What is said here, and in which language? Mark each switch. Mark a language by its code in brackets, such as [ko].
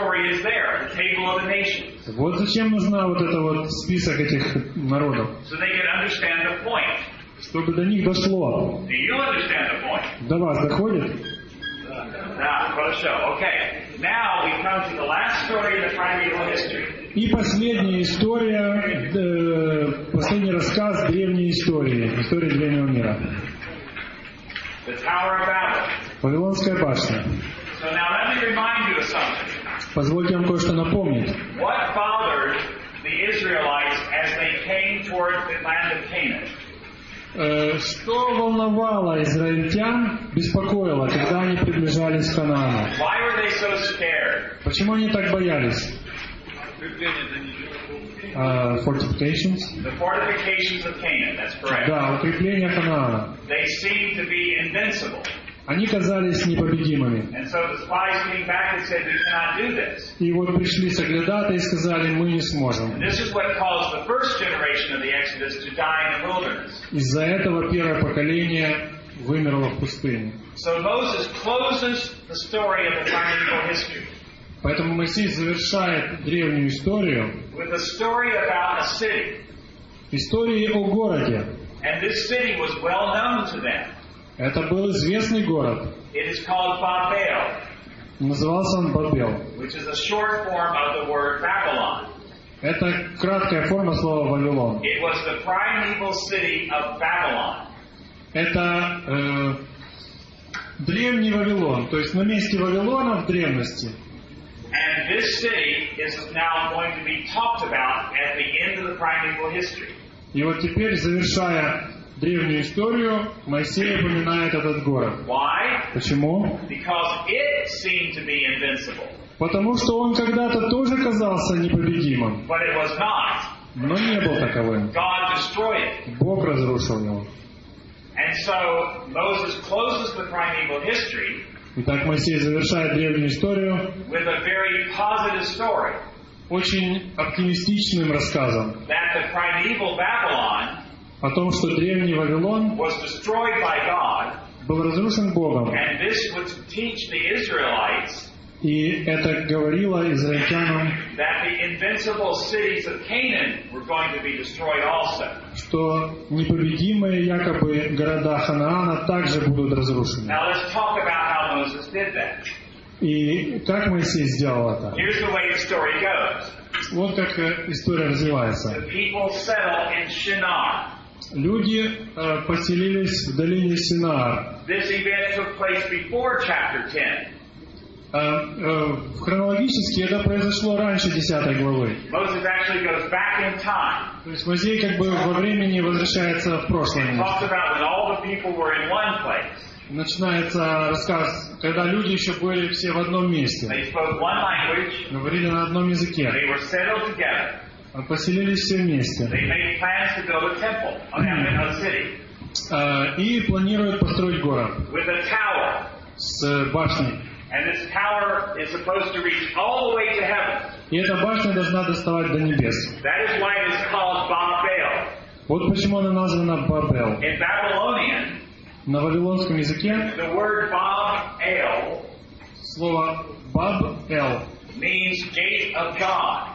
[en] story is there, the table of the nations. [ru] Вот зачем нужна вот эта вот список этих народов. [en] So they can understand the point. [ru] Чтобы до них дошло. [en] Do you understand the point? [ru] До вас доходит? Хорошо. [en] Okay. Now we come to the last story in the primeval history. [ru] И последняя история, последний рассказ древней истории, истории древнего мира. [en] The Tower of Babel. [ru] Вавилонская башня. [en] So now let me remind you of something. [ru] Позвольте вам кое-что напомнить. [en] What bothered the Israelites as they came toward the land of Canaan? [ru] Что волновало израильтян, беспокоило, когда они приближались к Канаану? [en] Why were they so scared? [ru] Почему они так боялись? [en] Fortifications. The fortifications of Canaan, that's correct. [ru] Да, укрепления Канаана. [en] They seemed to be invincible. [ru] Они казались непобедимыми. [en] And so the spies came back and said, we cannot do this. [ru] И вот пришли соглядатаи и сказали, мы не сможем. [en] This is what caused the first generation of the Exodus to die in the wilderness. [ru] Из-за этого первое поколение вымерло в пустыне. [en] So Moses closes the story of the primeval history. [ru] Поэтому Моисей завершает древнюю историю [en] with a story about a city. [ru] Историей о городе. [en] And this city was well known to them. [ru] Это был известный город. [en] It is called Babel. [ru] Назывался он Бабел. [en] Which is a short form of the word Babylon. [ru] Это краткая форма слова Вавилон. [en] It was the primeval city of Babylon. [ru] Это древний Вавилон, то есть на месте Вавилона в древности. [en] And this city is now going to be talked about at the end of the primeval history. [ru] И вот теперь, завершая древнюю историю, Моисей упоминает этот город. [en] Why? [ru] Почему? [en] Because it seemed to be invincible. [ru] Потому что он когда-то тоже казался непобедимым. [en] But it was not. [ru] Но не был таковым. [en] God destroyed it. [ru] Бог разрушил его. [en] And so Moses closes the primeval history. [ru] Итак, Моисей завершает древнюю историю [en] with a very positive story. [ru] Очень оптимистичным рассказом. [en] That the primeval Babylon [ru] о том, что древний Вавилон [en] was destroyed by God, [ru] был разрушен Богом. [en] And this would teach the Israelites, [ru] и это говорило израильтянам, [en] that the invincible cities of Canaan were going to be destroyed also. [ru] Что непобедимые якобы города Ханаана также будут разрушены. [en] Now let's talk about how Moses did that. [ru] И как Моисей сделал это? [en] Here's the way the story goes. [ru] Вот как история развивается. [en] The people settled in Shinar. [ru] Люди поселились в долине Синар. [en] This event took place before chapter 10. [ru] Хронологически это произошло раньше 10 главы. [en] Moses actually goes back in time. [ru] То есть Моисей как бы во времени возвращается в прошлое. [en] He talks about when all the people were in one place. [ru] Начинается рассказ, когда люди еще были все в одном месте. [en] They spoke one language. [ru] Говорили на одном языке. [en] They were settled together. [ru] Поселились все вместе. [en] They made plans to build a temple on the city. [ru] И планируют построить город. [en] With a tower. [ru] С башней. [en] And this tower is supposed to reach all the way to heaven. [ru] И эта башня должна доставать до небес. [en] That is why it is called Babel. [ru] Вот почему она названа Бабел. [en] In Babylonian, [ru] на вавилонском языке, [en] the word Babel, [ru] слово Babel, [en] means gate of God.